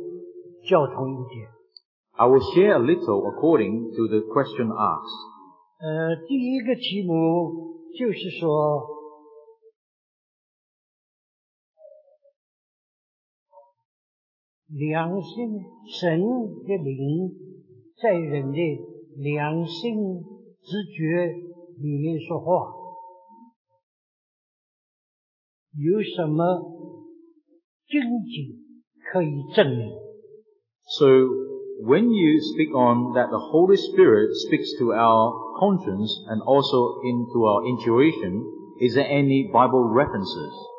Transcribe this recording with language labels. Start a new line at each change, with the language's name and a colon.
Chinese: 我想我就按照这个题目稍微交通一点。I
English: will share a little according to the question asked.
Chinese: 第一个题目就是说, 良心神的灵在人的良心直觉里面说话，有什么证据可以证明？
English: So when you speak on that the Holy Spirit speaks to our conscience and also into our intuition, is there any Bible references?